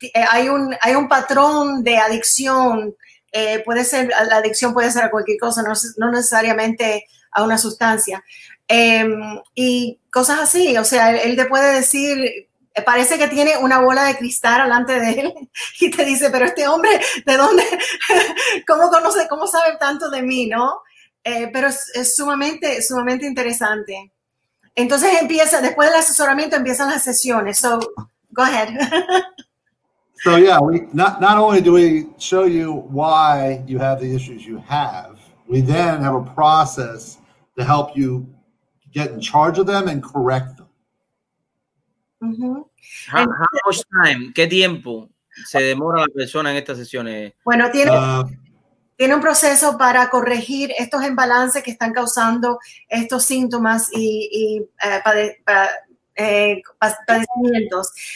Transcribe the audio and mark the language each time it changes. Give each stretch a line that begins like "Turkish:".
Spanish: hay un patrón de adicción, puede ser, la adicción puede ser a cualquier cosa, no necesariamente a una sustancia, y cosas así, o sea, él te puede decir, parece que tiene una bola de cristal delante de él y te dice, pero este hombre, ¿de dónde? ¿Cómo conoce, cómo sabe tanto de mí, no? Pero es sumamente, sumamente interesante. Entonces empieza, después del asesoramiento empiezan las sesiones.
English: So, go ahead. So, yeah, not only do we show you why you have the issues you have, we then have a process to help you get in charge of them and correct them. Mm-hmm. How much time?
Spanish: ¿Qué tiempo se demora la persona en estas sesiones? Bueno, tiene un proceso para corregir estos desbalances que están causando estos síntomas y padecimientos.